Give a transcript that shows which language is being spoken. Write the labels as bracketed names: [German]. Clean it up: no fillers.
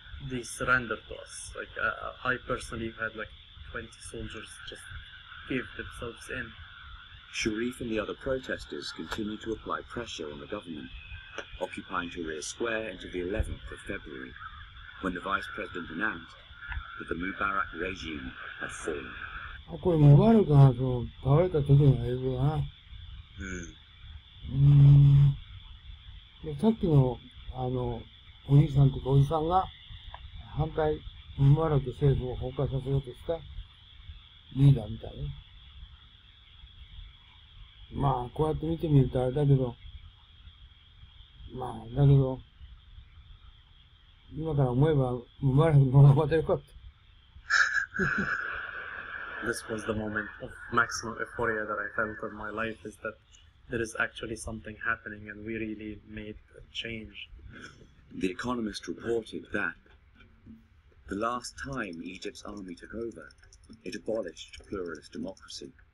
[English] They surrendered to us. Like, I personally had like 20 soldiers just give themselves in. Sharif and the other protesters continued to apply pressure on the government, occupying Tahrir Square until the 11th of February, when the vice president announced that the Mubarak regime had fallen. [Japanese] あ、これ、ムバラクが倒れた時の映像だな。うん。で、さっきの、お兄さんとかおじさんが、反対、ムバラク政府を崩壊させようとした、リーダーみたいね。まあ、こうやって見てみるとあれだけど、まあ、だけど、今から思えば、ムバラクの方がまたよかった。 [English] This was the moment of maximum euphoria that I felt in my life, is that there is actually something happening and we really made a change. The Economist reported that the last time Egypt's army took over, it abolished pluralist democracy.